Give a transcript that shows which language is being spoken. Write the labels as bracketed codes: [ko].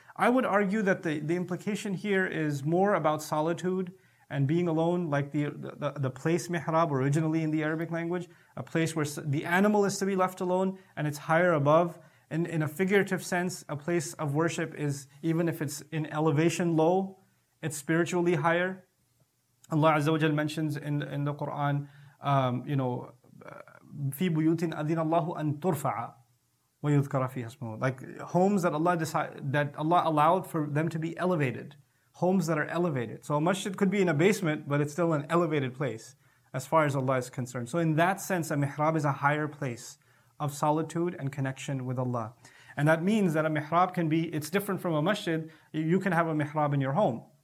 [en] I would argue that the implication here is more about solitude and being alone, like the place mihrab originally in the Arabic language, a place where the animal is to be left alone and it's higher above. And in a figurative sense, a place of worship is, even if it's in elevation low, it's spiritually higher. Allah Azza wa Jal mentions in the Quran, you know, [ar] في بيوتٍ أذن الله أن ترفع ويذكر فيها اسمه. [en] Like homes that Allah decided, that Allah allowed for them to be elevated. Homes that are elevated. So a masjid could be in a basement, but it's still an elevated place as far as Allah is concerned. So in that sense, a mihrab is a higher place of solitude and connection with Allah. And that means that a mihrab can be, it's different from a masjid. You can have a mihrab in your home.